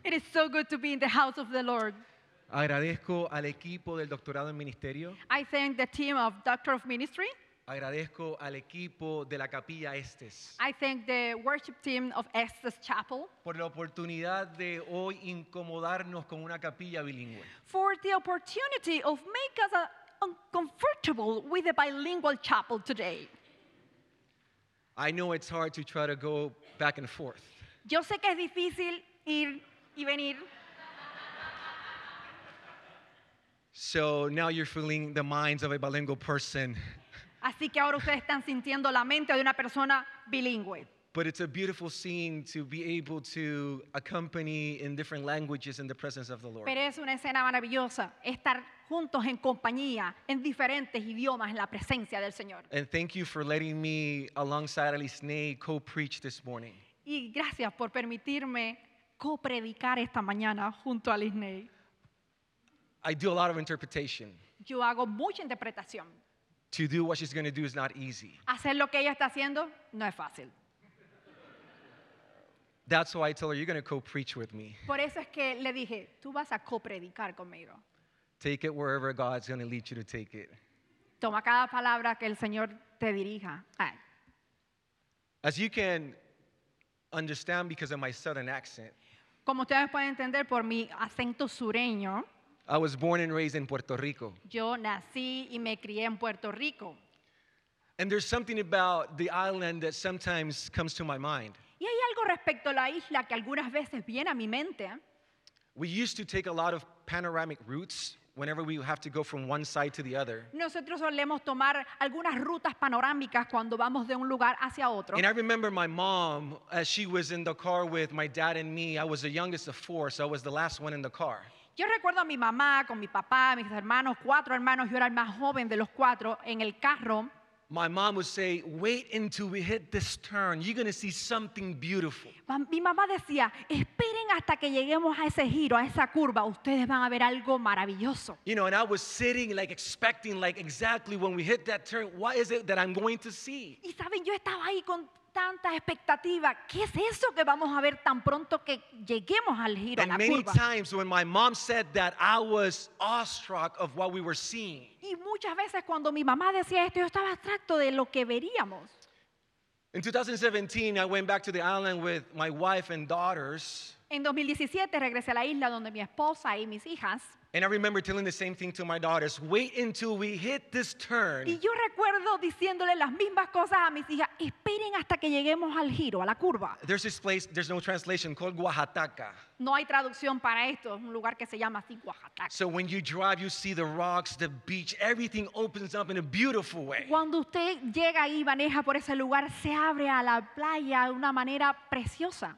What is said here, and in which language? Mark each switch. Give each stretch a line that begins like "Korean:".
English: It is so good to be in the house of the Lord.
Spanish: Agradezco al equipo del doctorado en ministerio.
English: I thank the team of Doctor of Ministry.
Spanish: Agradezco al equipo de la Capilla Estes.
English: I thank the worship team of Estes Chapel.
Spanish: Por la oportunidad de hoy incomodarnos con una capilla bilingüe.
English: For the opportunity of make us uncomfortable with a bilingual chapel today. I know it's hard to try to go back and forth.
Spanish: Yo sé que es difícil ir y venir.
English: So now you're feeling the minds of a bilingual person.
Spanish: Así que ahora ustedes están sintiendo la mente de una persona bilingüe.
English: But it's a beautiful scene to be able to accompany in different languages in the presence of the Lord.
Spanish: Pero es una escena maravillosa estar juntos en compañía en diferentes idiomas en la presencia del Señor.
English: And thank you for letting me alongside Alisne co-preach this morning.
Spanish: Y gracias por permitirme co-predicar esta mañana junto a Alisne.
English: I do a lot of interpretation.
Spanish: Yo hago mucha interpretación.
English: To do what she's going to do is not easy.
Spanish: Hacer lo que ella está haciendo no es fácil.
English: That's why I told her, you're going to co-preach with me.
Spanish: Por eso es que le dije, tú vas a co-predicar conmigo.
English: Take it wherever God's going to lead you to take it.
Spanish: Toma cada palabra que el Señor te dirija. Ay.
English: As you can understand because of my southern accent,
Spanish: como ustedes pueden entender por mi acento sureño,
English: I was born and raised in Puerto Rico.
Spanish: Yo nací y me crié en Puerto Rico.
English: And there's something about the island that sometimes comes to my mind.
Spanish: Y hay algo respecto a la isla que algunas veces viene a mi mente.
English: We used to take a lot of panoramic routes whenever we have to go from one side to the other.
Spanish: Nosotros solemos tomar algunas rutas panorámicas cuando vamos de un lugar hacia otro.
English: And I remember my mom, as she was in the car with my dad and me, I was the youngest of four, so I was the last one in the car.
Spanish: Yo recuerdo a mi mamá con mi papá, mis hermanos, cuatro hermanos, yo era el más joven de los cuatro en el carro.
English: My mom would say, wait until we hit this turn. You're going to see something beautiful.
Spanish: Mi mamá decía, esperen hasta que lleguemos a ese giro, a esa curva. Ustedes van a ver algo maravilloso.
English: You know, and I was sitting like expecting like exactly when we hit that turn, what is it that I'm going to see?
Spanish: Y saben, yo estaba ahí con tanta expectativa. ¿Qué es eso que vamos a ver tan pronto que lleguemos al giro, a la curva?
English: And many times when my mom said that, I was awestruck of what we were seeing.
Spanish: Y muchas veces cuando mi mamá decía esto, yo estaba abstracto de lo que veríamos.
English: In 2017, I went back to the island with my wife and daughters.
Spanish: En 2017 regresé a la isla donde mi esposa y mis hijas.
English: And I remember telling the same thing to my daughters. Wait until we hit this turn.
Spanish: Y yo recuerdo diciéndole las mismas cosas a mis hijas. Esperen hasta que lleguemos al giro, a la curva.
English: There's this place, there's no translation, called Oaxaca.
Spanish: No hay traducción para esto. Es un lugar que se llama así, Oaxaca.
English: So when you drive, you see the rocks, the beach, everything opens up in a beautiful way.
Spanish: Cuando usted llega y maneja por ese lugar, se abre a la playa de una manera preciosa.